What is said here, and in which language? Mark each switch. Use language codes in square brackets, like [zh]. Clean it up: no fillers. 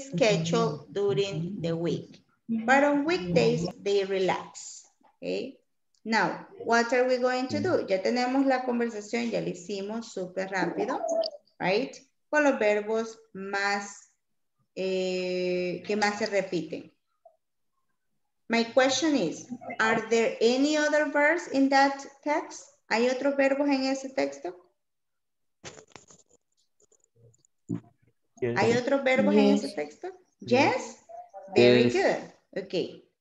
[en] schedule during the week, but on weekdays they relax. Okay, now what are we going to do? [es] Ya tenemos la conversación, ya la hicimos súper rápido, right? Con los verbos más que más se repiten. [en] My question is, are there any other verbs in that text? [es] ¿Hay otros verbos en ese texto? ¿Hay otros verbos en ese texto? [en] Yes? Very good. [es] Okay.